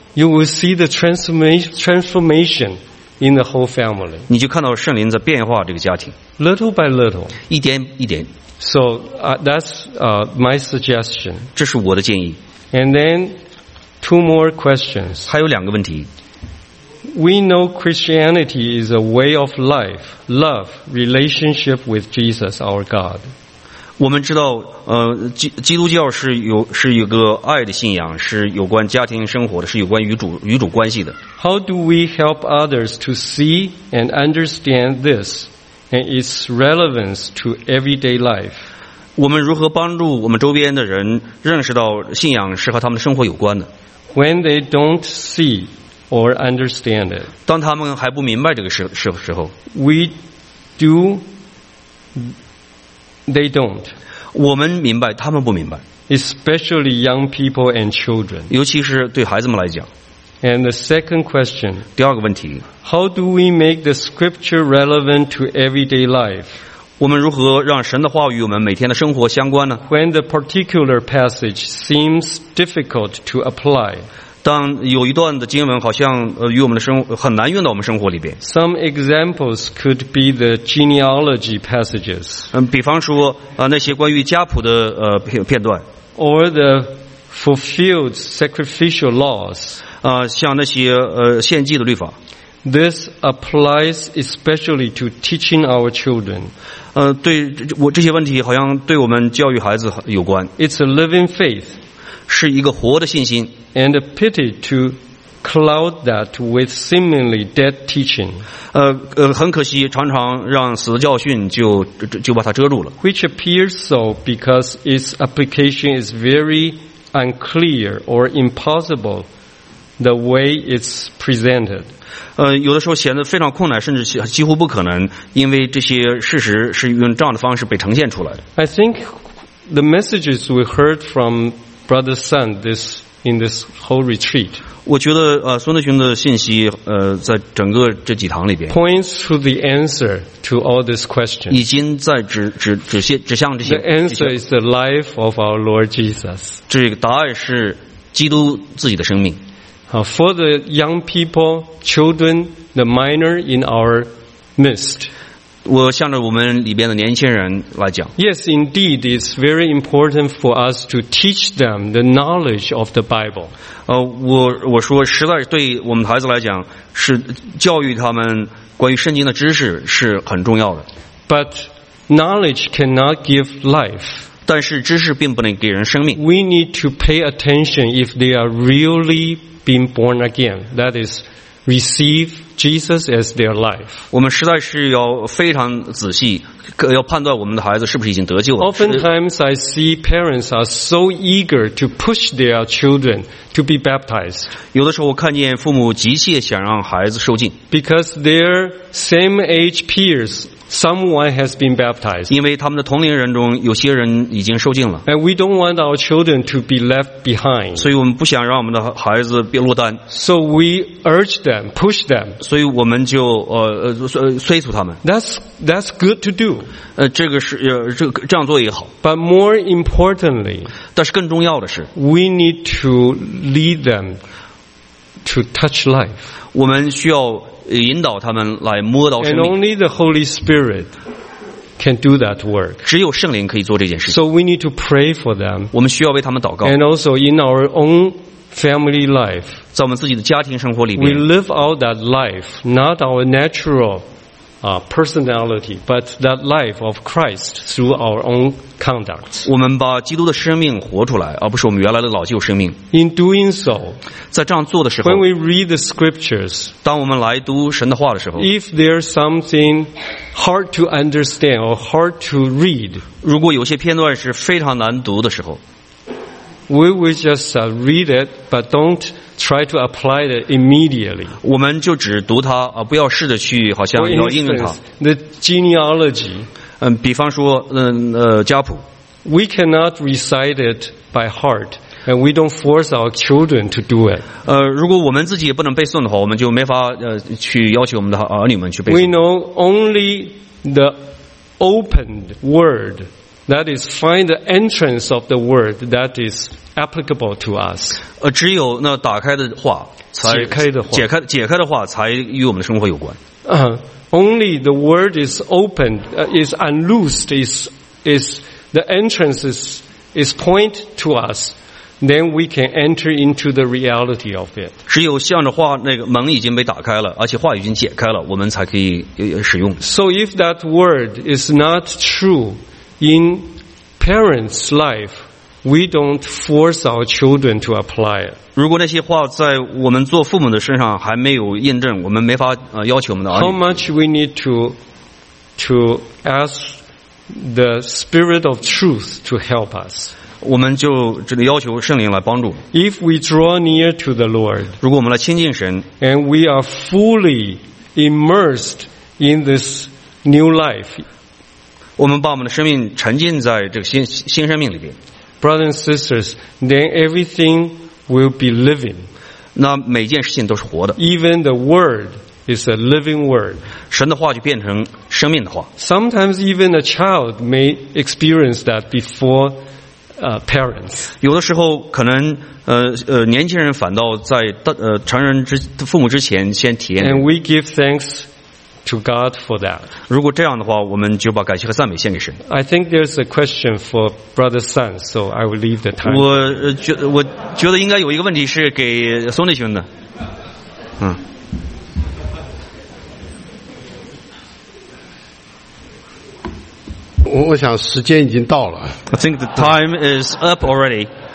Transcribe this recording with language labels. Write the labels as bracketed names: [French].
[English] you will see the transformation in the whole family. [Chinese] 你就看到圣灵在变化这个家庭。 [English] Little by little. [Chinese] 一点一点。 [English] So that's my suggestion. [Chinese] 这是我的建议。 [English] And then two more questions. [Chinese] 还有两个问题。 [English] We know Christianity is a way of life, love, relationship with Jesus, our God. [Chinese] 我们知道，基督教是一个爱的信仰，是有关家庭生活的，是有关与主关系的。 [English] How do we help others to see and understand this? And its relevance to everyday life. [Chinese] 我们如何帮助我们周边的人认识到信仰是和他们的生活有关的？ [English] When they don't see or understand it, [Chinese] 当他们还不明白这个时候， [English] we do, they don't. [Chinese] 我们明白，他们不明白。 [English] Especially young people and children. [Chinese] 尤其是对孩子们来讲。 [English] And the second question, [Chinese] 第二个问题， [English] how do we make the scripture relevant to everyday life? [Chinese] 我们如何让神的话语与我们每天的生活相关呢？ [English] When the particular passage seems difficult to apply, [Chinese] 当有一段的经文好像与我们的生活很难用到我们生活里边。 [English] Some examples could be the genealogy passages, [Chinese] 比方说那些关于家谱的片段， [English] or the fulfilled sacrificial laws, [Chinese] 像那些献祭的律法。 [English] This applies especially to teaching our children. [Chinese] 对我这些问题好像对我们教育孩子有关。 [English] It's a living faith. [Chinese] 是一个活的信心。 [English] And a pity to cloud that with seemingly dead teaching. [Chinese] 很可惜，常常让死教训就把它遮住了。 [English] Which appears so because its application is very unclear or impossible the way it's presented. [Chinese] 有的时候显得非常困难，甚至几乎不可能，因为这些事实是用这样的方式被呈现出来的。 [English] I think the messages we heard from Brother Sun in this whole retreat, [Chinese] 我觉得孙德雄的信息在整个这几堂里边 [English] points to the answer to all these questions. [Chinese] 已经在指向这些。 [English] The answer is the life of our Lord Jesus. [Chinese] 这个答案是基督自己的生命。 [English] For the young people, children, the minor in our midst. [Chinese] 我向着我们里边的年轻人来讲。 [English] Yes, indeed, it's very important for us to teach them the knowledge of the Bible. [Chinese] 我说实在对我们孩子来讲，是教育他们关于圣经的知识是很重要的。 [English] But knowledge cannot give life. [Chinese] 但是知识并不能给人生命。 [English] We need to pay attention if they are really being born again, that is, receive Jesus as their life. [Chinese] 我们实在是要非常仔细，要判断我们的孩子是不是已经得救了。 [English] Oftentimes, I see parents are so eager to push their children to be baptized. [Chinese] 有的时候，我看见父母急切想让孩子受浸。 [English] Because their same age peers Someone has been baptized. [Chinese] 因为他们的同龄人中有些人已经受浸了。 [English] And we don't want our children to be left behind. [Chinese] 所以我们不想让我们的孩子被落单。 [English] So we urge them, push them. [Chinese] 所以我们就催促他们。 [English] That's good to do. [Chinese] 这个是这样做也好。 [English] But more importantly, [Chinese] 但是更重要的是 [English] we need to lead them to touch life. [Chinese] 我们需要引导他们来摸到生 [English] 命。And only the Holy Spirit can do that work. [Chinese] 只有圣灵可以做这件事。 [English] So we need to pray for them. [Chinese] 我们需要为他们祷告。 [English] And also in our own family life, [Chinese] 在我们自己的家庭生活里面 [English] we live out that life, not our natural personality, but that life of Christ through our own conduct. [Chinese] 我们把基督的生命活出来，而不是我们原来的老旧生命。 [English] In doing so, [Chinese] 在这样做的时候 [English] when we read the scriptures, [Chinese] 当我们来读神的话的时候 [English] if there's something hard to understand or hard to read, [Chinese] 如果有些片段是非常难读的时候 [English] we will just read it, but don't try to apply it immediately. [Chinese] 我们就只读它，不要试着去好像要应用它。 [English] The genealogy, [Chinese] 比方说，家谱。 [English] We cannot recite it by heart, and we don't force our children to do it. [Chinese] 如果我们自己也不能背诵的话，我们就没法去要求我们的儿女们去背诵。 [English] We know only the opened word, that is, find the entrance of the word that is. Applicable to us. [Chinese] 只有那打开的话才解开的话解开的话才与我们的生活有关。 [English] Only the word is opened, is unloosed, is the entrance is point to us, then we can enter into the reality of it. [Chinese] 只有向着话那个门已经被打开了，而且话已经解开了，我们才可以使用。 [English] So if that word is not true in parents' life,We don't force our children to apply it. [Chinese] 如果那些话在我们做父母的身上还没有验证，我们没法要求我们的儿女。 [English] How much we need to ask the Spirit of Truth to help us? [Chinese] 我们就只能要求圣灵来帮助。 [English] If we draw near to the Lord, [Chinese] 如果我们来亲近神 [English] ，and we are fully immersed in this new life, [Chinese] 我们把我们的生命沉浸在这个新生命里边。 [English] Brothers and sisters, then everything will be living. [Chinese] 那每件事情都是活的。 [English] Even the word is a living word. [Chinese] 神的话就变成生命的话。 [English] Sometimes even a child may experience that before parents. [Chinese] 有的时候可能年轻人反倒在成人父母之前先体验。 [English] And we give thanks to God for that. [Chinese] 如果这样的话，我们就把感谢和赞美献给神。 [English] I think there's a question for Brother Sun, so I will leave the time. [Chinese] 我觉得应该有一个问题是给松内兄的。我想时间已经到了。 [English] I think the time is up already.